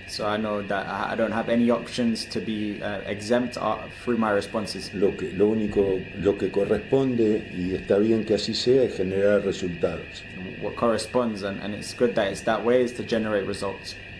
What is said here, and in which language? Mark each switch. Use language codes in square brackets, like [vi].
[en] So I know that I don't have any options to be exempt through my responses. [es] Lo único que corresponde, y está bien que así sea, es generar resultados. [en] What corresponds and it's good that it's that way is to generate results.